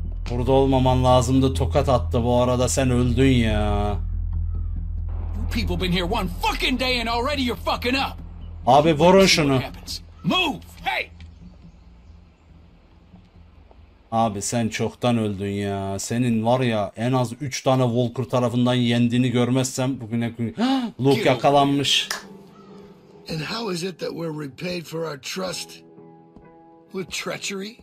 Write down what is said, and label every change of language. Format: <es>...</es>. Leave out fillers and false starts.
<tr>Burada olmaman lazımdı, tokat attı bu arada, sen öldün ya.</tr> <en>You people been here one fucking day and already you're fucking up.</en> <tr>Abi vurun şunu.</tr> <en>Move, hey.</en> <tr>Abi sen çoktan öldün ya. Senin var ya en az 3 tane Walker tarafından yendiğini görmezsem bugüne gün... Luke yakalanmış.</tr> <en>And how is it that we're repaid for our trust with treachery?</en>